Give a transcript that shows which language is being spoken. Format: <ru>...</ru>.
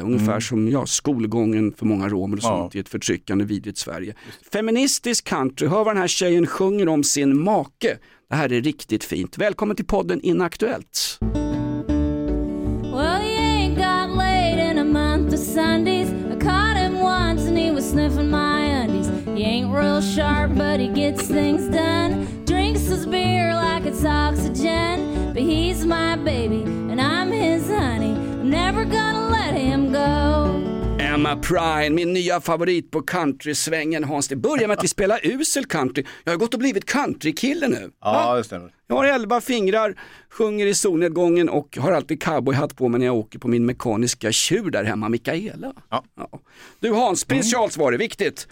<sv>Ungefär som skolgången för många romer och sånt i ett förtryckande vidrigt Sverige. Feministisk country. Hör vad den här tjejen sjunger om sin make. Det här är riktigt fint. Välkommen till podden Inaktuellt.</sv> <en>Well, he ain't got laid in a month of Sundays. I caught him once and he was sniffing my undies. He ain't real sharp but he gets things done. Drinks his beer like it's oxygen. But he's my baby and I'm his honey. I'm never gonna let him go.</en> <sv>Emma Prime, min nya favorit på country-svängen, Hans. Det börjar med att vi spelar usel country. Jag har gått och blivit country-kille nu. Ja, det stämmer. Jag har 11 fingrar, sjunger i solnedgången och har alltid cowboyhatt på mig när jag åker på min mekaniska tjur där hemma, Mikaela. Ja. Du Hans, prins Charles var det viktigt.</sv>